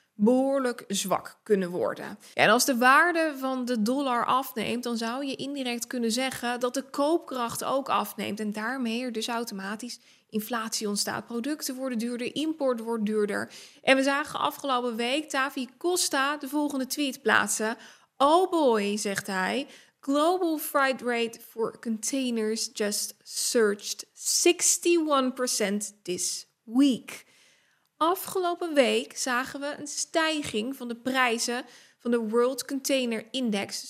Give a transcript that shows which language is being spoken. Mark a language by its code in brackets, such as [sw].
[nl] behoorlijk zwak kunnen worden. En als de waarde van de dollar afneemt, dan zou je indirect kunnen zeggen dat de koopkracht ook afneemt. En daarmee er dus automatisch inflatie ontstaat. Producten worden duurder, import wordt duurder. En we zagen afgelopen week Tavi Costa de volgende tweet plaatsen. [en] Oh boy, [nl] zegt hij. [en] Global freight rate for containers just surged 61% this week. [nl] Afgelopen week zagen we een stijging van de prijzen van de World Container Index.